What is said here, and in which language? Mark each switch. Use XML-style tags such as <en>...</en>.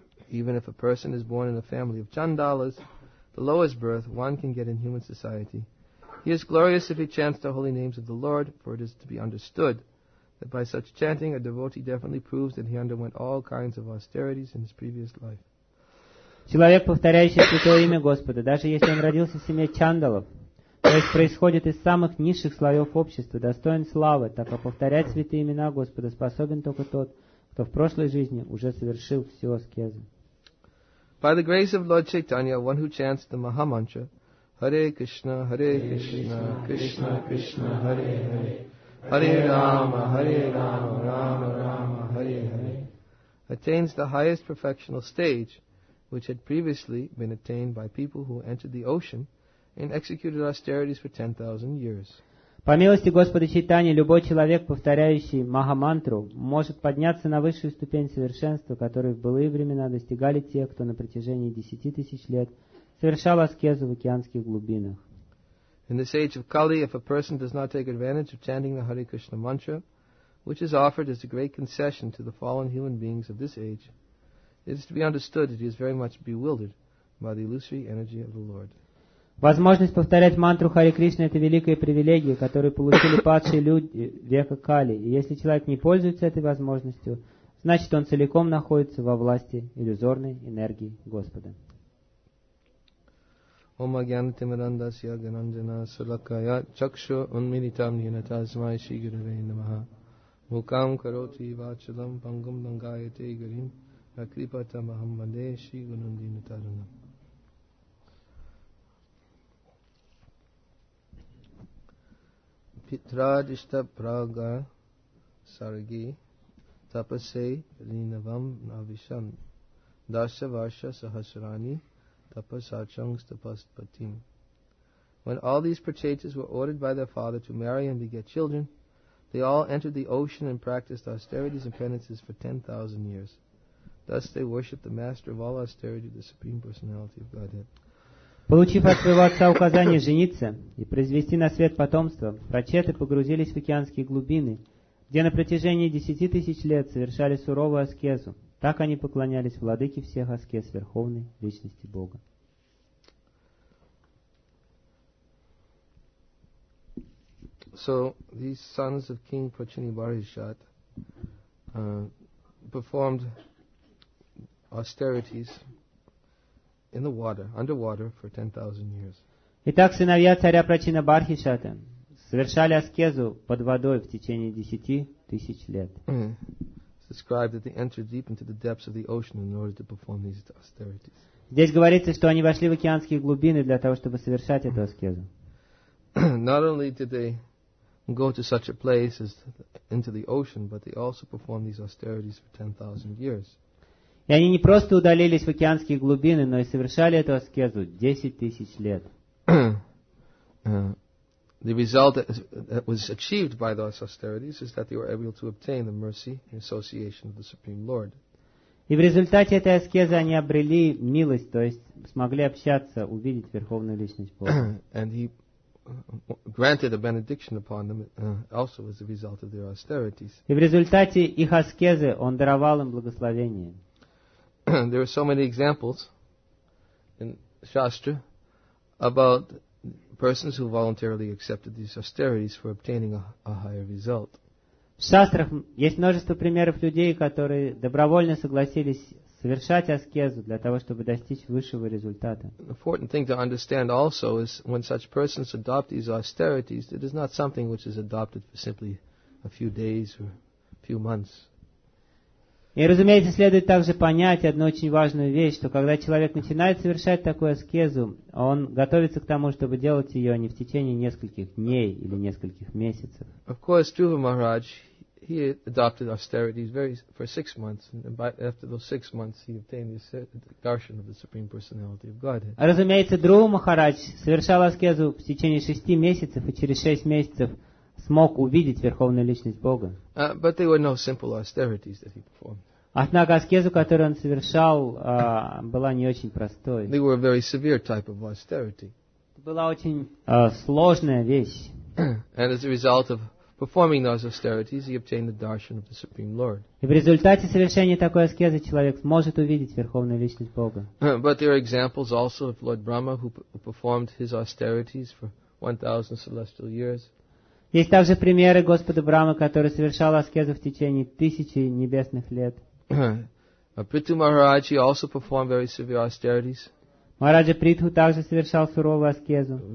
<en>Even if a person is born in a family of chandalas, the lowest birth one can get in human society, he is glorious if he chants the holy names of the Lord, for it is to be understood that by such chanting a devotee definitely proves that he underwent all kinds of austerities in his previous life.</en> <ru>Человек, повторяющий святое имя Господа, даже если он родился в семье чандалов, то есть происходит из самых низших слоев общества, достоин славы, так как повторять святые имена Господа способен только тот, кто в прошлой жизни уже совершил всю аскезу.</ru> <en>By the grace of Lord Chaitanya, one who chants the Maha Mantra, Hare Krishna, Hare Krishna, Krishna Krishna, Hare Hare, Hare Rama, Rama Rama, Hare Hare, attains the highest perfectional stage, which had previously been attained by people who entered the ocean and executed austerities for 10,000 years.</en> <ru>По милости Господа Чайтаньи, любой человек, повторяющий Маха-мантру, может подняться на высшую ступень совершенства, которую в былые времена достигали те, кто на протяжении 10,000 лет совершал аскезу в океанских глубинах.</ru> <en>In this age of Kali, if a person does not take advantage of chanting the Hare Krishna mantra, which is offered as a great concession to the fallen human beings of this age, it is to be understood that he is very much bewildered by the illusory energy of the Lord.</en> <ru>Возможность повторять мантру Хари Кришна – это великая привилегия, которую получили падшие люди века Кали. И если человек не пользуется этой возможностью, значит, он целиком находится во власти иллюзорной энергии Господа.</ru> <sa>Ом агьяна тимирандасья гананджана сулакая чакшу унмиритам нинатазмай шигуравей намаха мукам кароти вачалам пангам дангайате гарим акрипата махаммаде шигунанди натарана. Pitradishta praga sargi tapase rinavam navisham dasa varsha sahasrani tapasachangs tapaspatim.</sa> <en>When all these purchases were ordered by their father to marry and beget children, they all entered the ocean and practiced austerities and penances for 10,000 years. Thus they worshipped the master of all austerity, the Supreme Personality of Godhead.</en> <ru>Получив от своего отца указание жениться и произвести на свет потомство, прачеты погрузились в океанские глубины, где на протяжении 10,000 лет совершали суровую аскезу. Так они поклонялись владыке всех аскез Верховной Личности Бога.</ru> <en>So, these sons of King Prachinibharishat performed austerities in the water, underwater, for 10,000 years.</en> <ru>Итак, сыновья царя Прачинабархишата совершали аскезу под водой в течение 10,000 лет.</ru> <en>It's described that they entered deep into the depths of the ocean in order to perform these austerities.</en> <ru>Здесь говорится, что они вошли в океанские глубины для того, чтобы совершать эту аскезу.</ru> <en>Not only did they go to such a place as into the ocean, but they also performed these austerities for 10,000 years.</en> <ru>И они не просто удалились в океанские глубины, но и совершали эту аскезу 10,000 лет.</ru> <en>The result that was achieved by those austerities is that they were able to obtain the mercy and association of the Supreme Lord.</en> <ru>И в результате этой аскезы они обрели милость, то есть смогли общаться, увидеть Верховную Личность Бога.</ru> <en>And he granted a benediction upon them also as a result of their austerities.</en> <ru>И в результате их аскезы он даровал им благословение.</ru> <en>There are so many examples in Shastra about persons who voluntarily accepted these austerities for obtaining a higher result.</en> <ru>В Шастрах есть множество примеров людей, которые добровольно согласились совершать аскезу для того, чтобы достичь высшего результата.</ru> <en>An important thing to understand also is when such persons adopt these austerities, it is not something which is adopted for simply a few days or a few months.</en> <ru>И, разумеется, следует также понять одну очень важную вещь, что когда человек начинает совершать такую аскезу, он готовится к тому, чтобы делать ее не в течение нескольких дней или нескольких месяцев.</ru> <en>Of course, Dhruva Maharaj, he adopted austerity for 6 months, and after those 6 months he obtained the darshan of the Supreme Personality of Godhead.</en> <ru>Разумеется, Друва Махарадж совершал аскезу в течение 6 месяцев, и через 6 месяцев смог увидеть Верховную Личность Бога.</ru> <en>But they were no simple austerities that he performed.</en> <ru>Однако аскеза, которую он совершал, была не очень простой.</ru> <en>They were a very severe type of austerity.</en> <ru>Это была очень сложная вещь.</ru> <en>And as a result of performing those austerities, he obtained the darshan of the Supreme Lord.</en> <ru>И в результате совершения такой аскезы человек сможет увидеть Верховную Личность Бога.</ru> <en>But there are examples also of Lord Brahma who performed his austerities for 1,000 celestial years.</en> <ru>Есть также примеры Господа Брамы, который совершал аскезу в течение 1000 небесных лет.</ru> <en>Притху Махарадж, he also performed very severe austerities.</en> <ru>Махараджа Притху также совершал суровую аскезу.</ru>